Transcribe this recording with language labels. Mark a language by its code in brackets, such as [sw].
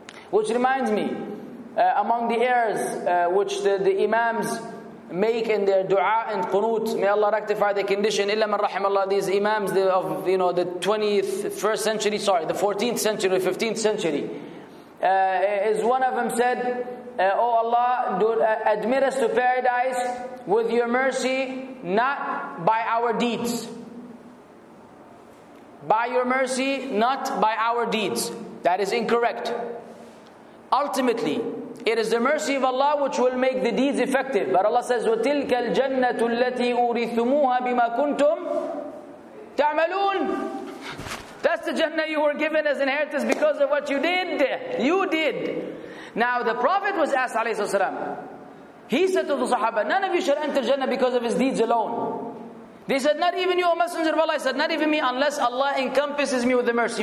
[en] Which reminds me, among the errors which the imams make in their dua and qunut, may Allah rectify the condition, illa man rahim Allah, these imams of, you know, the 21st century, sorry, the 14th century, 15th century, is one of them said, oh Allah, admit us to paradise with your mercy, not by our deeds. by your mercy, not by our deeds. That is incorrect. Ultimately, it is the mercy of Allah which will make the deeds effective. But Allah says, [ar] وَتِلْكَ الْجَنَّةُ الَّتِي أُورِثُمُوهَا بِمَا كُنْتُمْ تَعْمَلُونَ. [en] That's the Jannah you were given as inheritance because of what you did. You did. Now the Prophet was asked, عليه الصلاة والسلام, he said to the Sahaba, none of you shall enter Jannah because of his deeds alone. They said, not even you, O Messenger of Allah. He said, not even me, unless Allah encompasses me with the mercy.